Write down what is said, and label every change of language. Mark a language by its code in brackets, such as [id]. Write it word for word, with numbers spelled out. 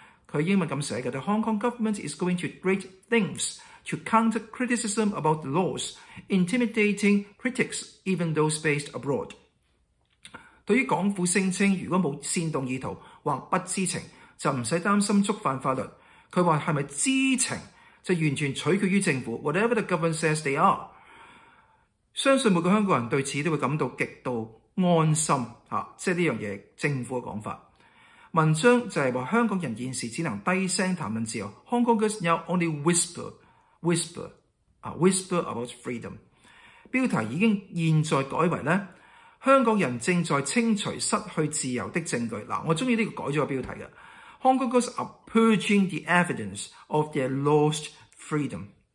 [yue] 佢英文咁寫嘅： [en] The Hong Kong government is going to great lengths to counter criticism about the laws, intimidating critics even those based abroad。 [yue] 對於港府聲稱如果冇煽動意圖或不知情，就唔使擔心觸犯法律。佢話係咪知情？就完全取決於政府 ， [en] whatever the government says they are。 [yue] 相信每個香港人對此都會感到極度安心嚇，即係呢樣嘢政府嘅講法。文章就係話香港人現時只能低聲談論自由 ， [en] Hong Kongers now only whisper whisper 啊 whisper about freedom。 [yue] 標題已經現在改為咧，香港人正在清除失去自由的證據。嗱，我中意呢個改咗個標題嘅。 [en] Hong Kongers are purging the evidence of their lost freedom.